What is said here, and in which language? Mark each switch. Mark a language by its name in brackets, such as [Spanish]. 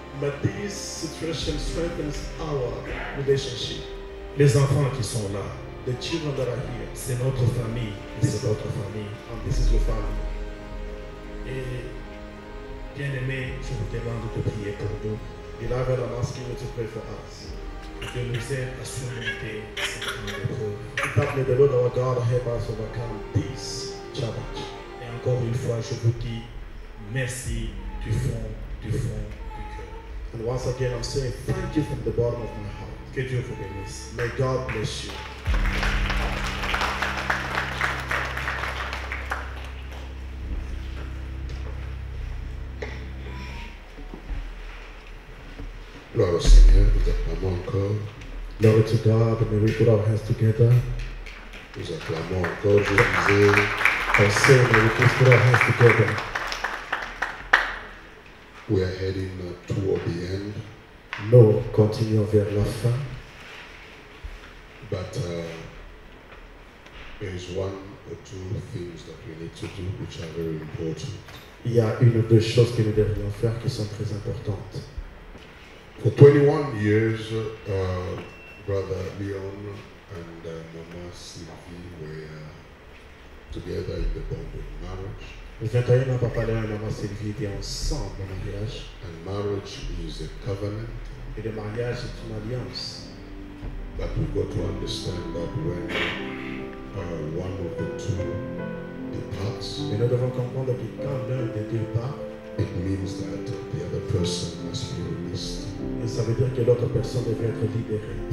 [English] But this situation strengthens our relationship. [French] Les enfants qui sont là, [English] the children that are here, [French] c'est notre famille, c'est votre famille. [English] And this is your family. [French] Et bien aimé, je vous demande de prier pour nous. [English] Beloved, I'm asking you to pray for us. [French] Dieu nous aide à surmonter cette grande épreuve. [English] That may the Lord our God help us overcome this challenge. [French] Et encore une fois, je vous dis merci du fond du cœur. [English] And once again, I'm saying thank you from the bottom of my heart. [French] Que Dieu vous bénisse. [English] May God bless you. [French] Gloire au Seigneur, nous acclamons encore. [English] Glory to God, may we put our hands together. [French] Nous acclamons encore, je disais. [English] I'm saying, may we put our hands together. We are heading toward the end. [French] No, continuons vers la fin. [English] But there is one or two things that we need to do which are very important. [French] Il y a une ou deux choses que nous devrions faire qui sont très importantes. [English] For 21 years, Brother Leon and Mama Sylvie were together in the bond of marriage. [French] 21 ans, papa et maman Sylvie étaient ensemble au mariage. [English] And marriage is a covenant. [French] Et le mariage est une alliance. [English] But we've got to understand that when one of the two departs, [French] mais nous devons comprendre que quand l'un des deux part, [English] it means that the other person must be released. [French] Et ça veut dire que l'autre personne devrait être libérée.